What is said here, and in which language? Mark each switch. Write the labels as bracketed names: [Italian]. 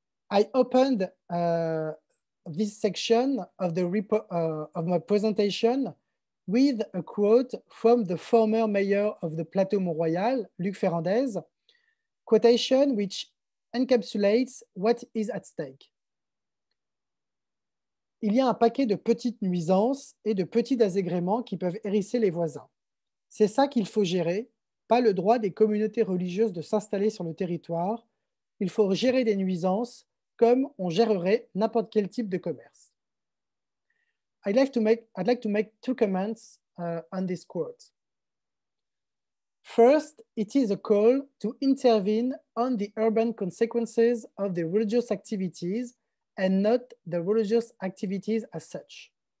[English] I opened this section of the of my presentation with a quote from the former mayor of the Plateau Mont-Royal, Luc Ferrandez, quotation which encapsulates what is at stake. [French] il y a un paquet de petites nuisances et de petits désagréments qui peuvent hérisser les voisins. C'est ça qu'il faut gérer, pas le droit des communautés religieuses de s'installer sur le territoire. Il faut gérer des nuisances comme on gérerait n'importe quel type de commerce. [English] I'd like to make two comments on this quote. First, it is a call to intervene on the urban consequences of the religious activities and not the religious activities as such.